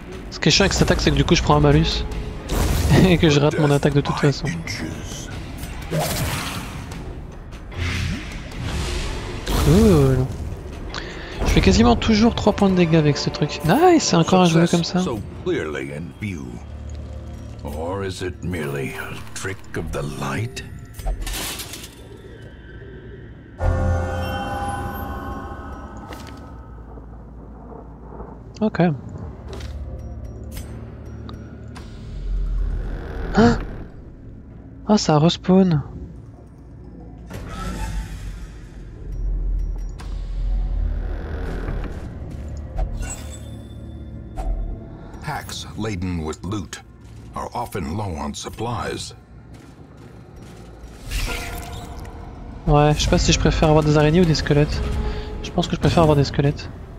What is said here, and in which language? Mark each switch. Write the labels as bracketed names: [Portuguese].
[French] Ce qui est chiant avec cette attaque, c'est que du coup je prends un malus et que je rate mon attaque de toute façon. Cool. Je fais quasiment toujours 3 points de dégâts avec ce truc. Nice, c'est encore un jeu comme ça. [English] So clearly in view. Or is it merely a trick of the light? Ok. [French] Hein? Ah, ça respawn. [English] Packs laden with loot are often low on supplies. [French] Ouais, je sais pas si je préfère avoir des araignées ou des squelettes. Je pense que je préfère avoir des squelettes.